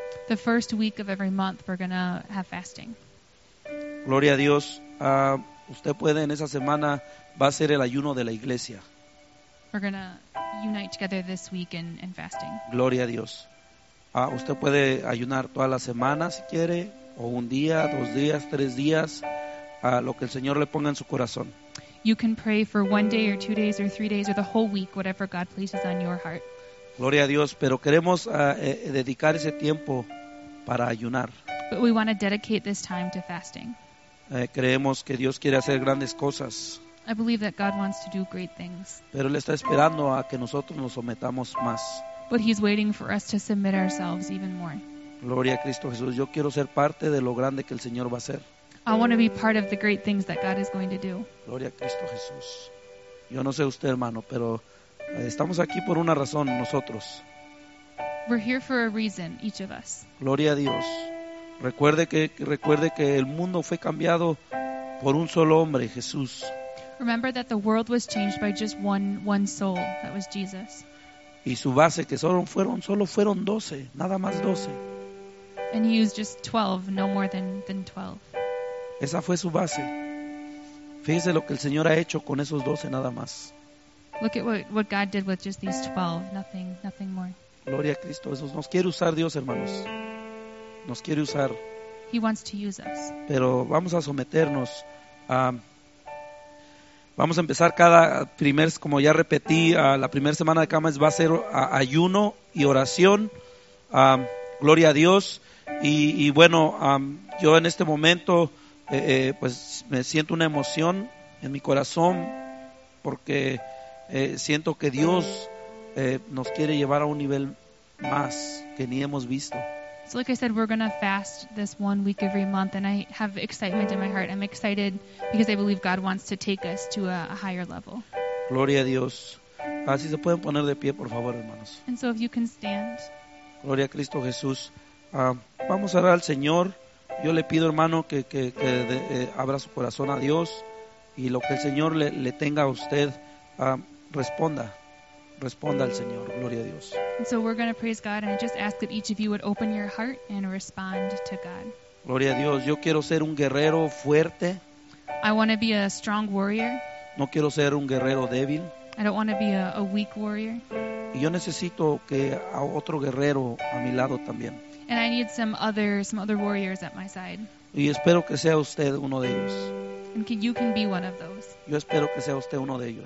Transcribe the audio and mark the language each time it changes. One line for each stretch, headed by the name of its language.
English: The first week of every month we're going to have fasting.
Spanish: Gloria a Dios. Usted puede en esa semana va a ser el ayuno de la iglesia.
English: We're going to unite together this week in fasting.
Spanish: Gloria a Dios. Usted puede ayunar toda la semana si quiere, o un día, dos días, tres días. A lo que el Señor le ponga en su corazón.
English: You can pray for one day or two days or three days or the whole week, whatever God places on your heart.
Spanish: Gloria a Dios, pero queremos dedicar ese tiempo para ayunar.
English: But we want to dedicate this time to fasting.
Spanish: Creemos que Dios quiere hacer grandes cosas.
English: I believe that God wants to do great things.
Spanish: Pero Él está esperando a que nosotros nos sometamos más.
English: But He's waiting for us to submit ourselves even more.
Spanish: Gloria a Cristo Jesús. Yo quiero ser parte de lo grande que el Señor va a hacer.
English: I want to be part of the great things that God is going to do.
Spanish: Gloria a Cristo Jesús. Yo no sé usted, hermano, pero estamos aquí por una razón, nosotros.
English: We're here for a reason, each of us.
Spanish: Gloria a Dios. Recuerde que el mundo fue cambiado por un solo hombre, Jesús.
English: Remember that the world was changed by just one soul, that was Jesus.
Spanish: Y su base, que solo fueron 12, nada más 12.
English: And he used just 12, no more than 12.
Spanish: Esa fue su base. Fíjese lo que el Señor ha hecho con esos 12 nada más.
English: Look at what God did with just these 12, nothing more.
Spanish: Gloria a Cristo. Eso nos quiere usar Dios, hermanos. Nos quiere usar.
English: He wants to use us.
Spanish: Pero vamos a someternos a vamos a empezar cada primer, como ya repetí, la primera semana de cada mes va a ser ayuno y oración. Gloria a Dios. Y bueno, yo en este momento pues me siento una emoción en mi corazón porque siento que Dios nos quiere llevar a un nivel más que ni hemos visto.
English: So like I said, we're going to fast this 1 week every month, and I have excitement in my heart. I'm excited because I believe God wants to take us to a higher level.
Spanish: Gloria a Dios. Así se pueden poner de pie, por favor, hermanos.
English: And so if you can stand.
Spanish: Gloria a Cristo Jesús. Vamos a orar al Señor. Yo le pido, hermano, que abra su corazón a Dios, y lo que el Señor le tenga a usted, responda. Responda al Señor. Gloria a Dios.
English: And so we're going to praise God, and I just ask that each of you would open your heart and respond to God.
Spanish: Gloria a Dios. Yo quiero ser un guerrero fuerte.
English: I want to be a strong warrior.
Spanish: No quiero ser un guerrero débil.
English: I don't want to be a weak warrior.
Spanish: Y yo necesito que a otro guerrero a mi lado también.
English: And I need some other warriors at my side.
Spanish: Y espero que sea usted uno de ellos.
English: And you can be one of those.
Spanish: Yo espero que sea usted uno de ellos.